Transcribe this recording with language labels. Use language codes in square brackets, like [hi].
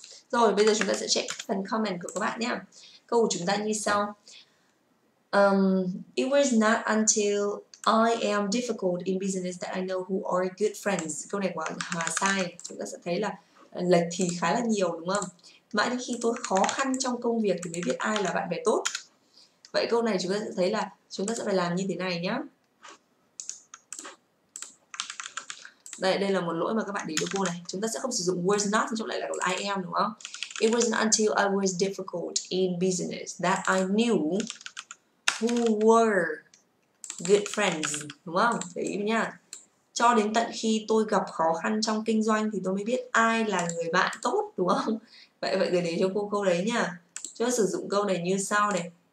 [vi] Rồi bây giờ chúng ta sẽ check phần comment của các bạn nhé. Câu của chúng ta như sau. [en] It was not until I am difficult in business that I know who are good friends. [vi] Câu này quá là sai. Chúng ta sẽ thấy là lệch thì khá là nhiều đúng không? Mãi đến khi tôi khó khăn trong công việc thì mới biết ai là bạn bè tốt. Vậy câu này chúng ta sẽ thấy là chúng ta sẽ phải làm như thế này nhé. Đây là một lỗi mà các bạn để cho cô này. Chúng ta sẽ không sử dụng [en] was not, [vi] trong lại là [en] I am [vi] đúng không? [en] It wasn't until I was difficult in business that I knew who were good friends. [vi] Đúng không? Để ý nha. Cho đến tận khi tôi gặp khó khăn trong kinh doanh thì tôi mới biết ai là người bạn tốt đúng không? Vậy để cho cô câu đấy nha. Chúng ta sử dụng câu này như sau này.